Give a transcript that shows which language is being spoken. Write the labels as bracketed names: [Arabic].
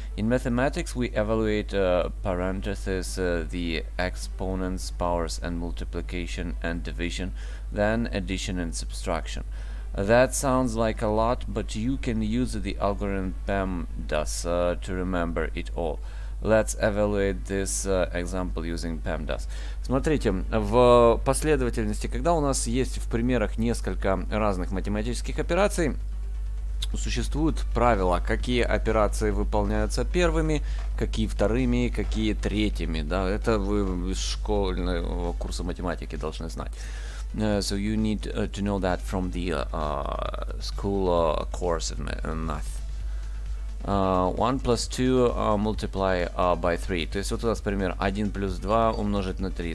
[English] In mathematics, we evaluate parentheses, the exponents, powers and multiplication and division, then addition and subtraction. That sounds like a lot, but you can use the algorithm PEMDAS to remember it all. Let's evaluate this example using PEMDAS. [Russian] Смотрите, в последовательности, когда у нас есть в примерах несколько разных математических операций, существуют правила, какие операции выполняются первыми, какие вторыми, какие третьими. Да? Это вы из школьного курса математики должны знать. [English] So you need to know that from the school course of math. 1 plus 2 multiply by 3. [Russian] То есть вот у нас пример 1 плюс 2 умножить на 3.